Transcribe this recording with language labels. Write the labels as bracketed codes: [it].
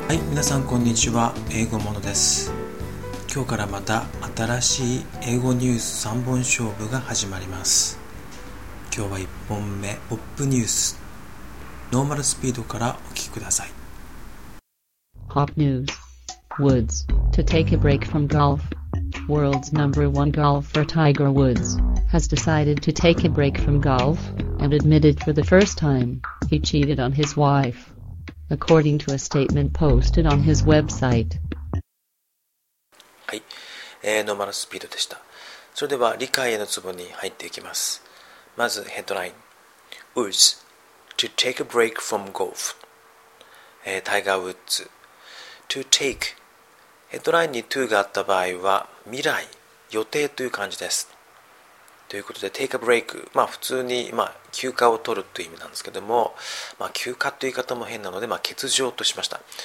[ja] 皆さんこんにちは、英語モノです。今日からまた新しい英語ニュース3本勝負が始まります。今日は1本目、ポップニュース、ノーマルスピードからお聞きください。ポップニュース。 [en] Woods to take a break from golf. World's number one golfer Tiger Woods has decided to take a break from golf and admitted for the first time he cheated on his wife. According to a statement posted on his website. [ja] はい、ノーマルスピードでした。それでは理解へのツボに入っていきます。まずヘッドライン。 [en] Woods to take a break from golf. タイガーウッズ。To take. [ja] ヘッドラインに to があった場合は未来、予定という感じです。ということで [en] take a break、 [ja] まあ普通に、まあ休暇を取るという意味なんですけども、まあ休暇という言い方も変なので、まあ欠場としました。